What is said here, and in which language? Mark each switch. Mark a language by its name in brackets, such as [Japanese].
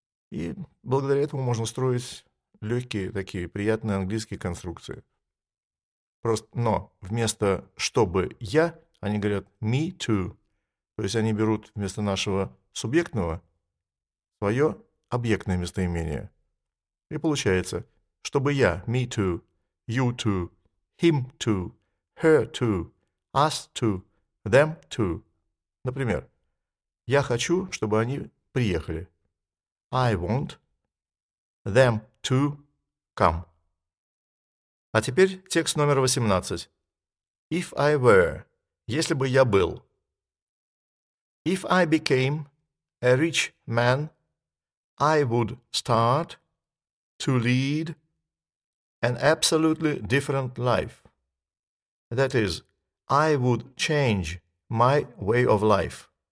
[Russian] И благодаря этому можно строить легкие, такие приятные английские конструкции. Просто, но вместо «чтобы я» они говорят [English] «me too». [Russian] То есть они берут вместо нашего субъектного свое объектное местоимение. И получается «чтобы я» – [English] «me too», «you too», «him too», «her too», «us too», «them too». [Russian] Например, я хочу, чтобы они приехали. [English] I want them to come. [Russian] А теперь текст номер 18. [English] If I were, [Russian] если бы я был. [English] If I became a rich man, I would start to lead an absolutely different life. That is, I would change my way of life.